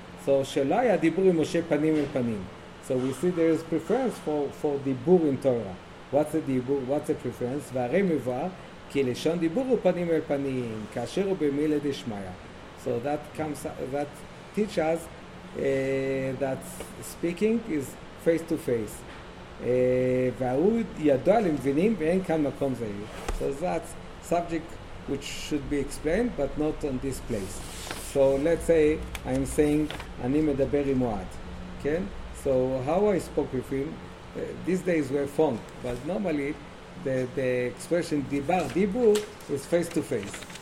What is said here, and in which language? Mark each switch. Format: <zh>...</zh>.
<he>So שלא היה דיבור עם משה פנים אל פנים.</he> <en>So we see there is preference for דיבור in Torah. What's the דיבור? What's the preference?</en> <he>והרי מבואר כי לשון דיבור הוא פנים אל פנים, כאשר הוא במילה דשמיא.</he> <en>So that comes, that teach us that speaking is face to face.</en> <he>והוא ידוע למבינים ואין כאן מקום זה.</he> <en>So that's subject which should be explained, but not on this place. So let's say I'm saying</en> <he>ani medaber im oad,</he> <en>okay? So how I spoke with him, these days we have phone, but normally the expression dibar dibu is face to face.</en>